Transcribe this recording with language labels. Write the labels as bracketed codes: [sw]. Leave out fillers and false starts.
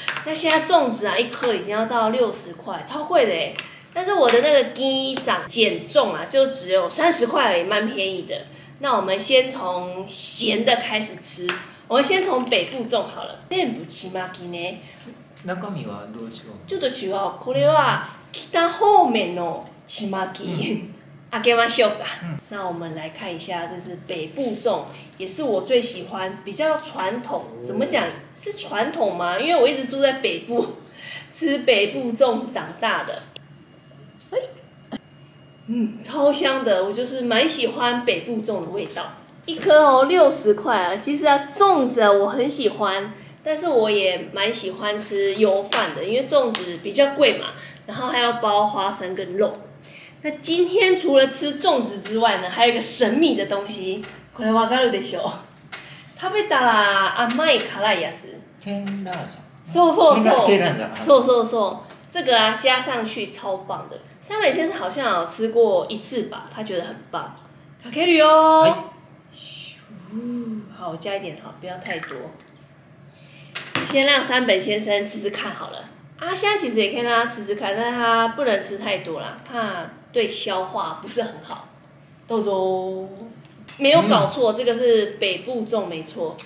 [zh] 那现在粽子啊一颗已经要到60块，超贵的耶。但是我的那个鸡掌减重啊，就只有30块而已，蛮便宜的。那我们先从咸的开始吃，我们先从北部粽好了。 [ja] 南部ちまきね。中身はどう違う？ちょっと違う。これは北方面のちまき。開けましょうか。 [zh] 那我们来看一下，这是北部粽，也是我最喜欢，比较传统。怎么讲？是传统吗？因为我一直住在北部，吃北部粽长大的。嗯，超香的，我就是蛮喜欢北部粽的味道。一颗哦，60块啊。其实啊，粽子啊，我很喜欢，但是我也蛮喜欢吃油饭的，因为粽子比较贵嘛，然后还要包花生跟肉。那今天除了吃粽子之外呢，还有一个神秘的东西，これわかるでしょう？ [ja] 食べたら甘い辛いやつ。 [zh] 天辣椒。そうそうそう。这个啊，加上去超棒的。山本先生好像有吃过一次吧，他觉得很棒。かけるよ。好，加一点好，不要太多。先让山本先生吃吃看好了。阿香其实也可以让他吃吃看，但他不能吃太多啦，怕对消化不是很好。豆豆，没有搞错，这个是北部粽没错。